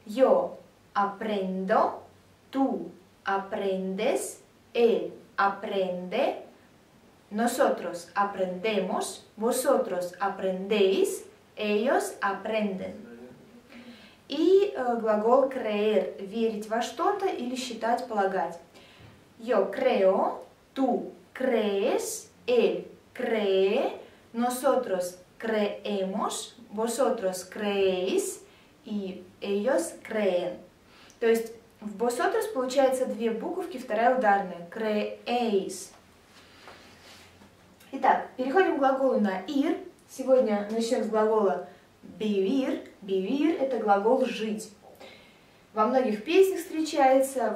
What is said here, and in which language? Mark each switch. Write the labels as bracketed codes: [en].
[es] «Yo aprendo», «tú aprendes», «él aprende», «nosotros aprendemos», «vosotros aprendéis», «ellos aprenden». [ru] И глагол «creer» – верить во что-то или считать, полагать. [es] Yo creo, tú crees, él cree, nosotros creemos, vosotros creéis y ellos creen. [ru] То есть в «vosotros» получается две буковки, вторая ударная. [es] Creéis. [ru] Итак, переходим к глаголу на «ir». Сегодня начнем с глагола «vivir». «Vivir» — это глагол «жить». Во многих песнях встречается.